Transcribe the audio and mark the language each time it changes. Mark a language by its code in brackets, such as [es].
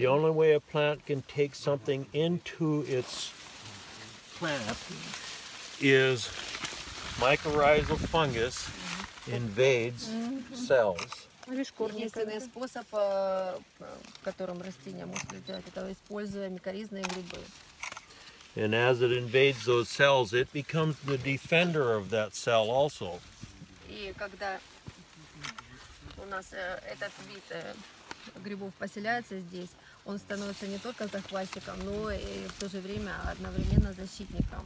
[en] The only way a plant can take something into its plant is mycorrhizal fungus invades cells. [ru] Единственный способ, которым растения могут сделать, это используя микоризные грибы. [en] And as it invades those cells, it becomes the defender of that cell also. [ru] И когда у нас этот вид грибов поселяется здесь, он становится не только захватчиком, но и в то же время одновременно защитником.